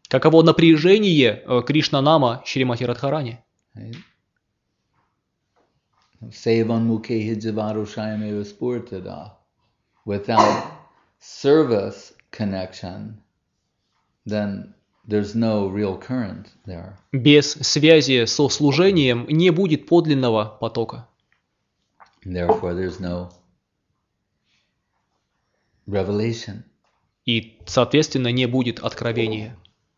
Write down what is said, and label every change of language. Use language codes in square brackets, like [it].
[ru] Каково напряжение Кришнанама Шримати Радхарани? [sa] Севан мукехи дживару шаямева спуртада. [en] Without service connection, then there's no real current there. [ru] Без связи со служением не будет подлинного потока. [en] Therefore, there's no revelation. [ru] И, соответственно, не будет откровения. Oh.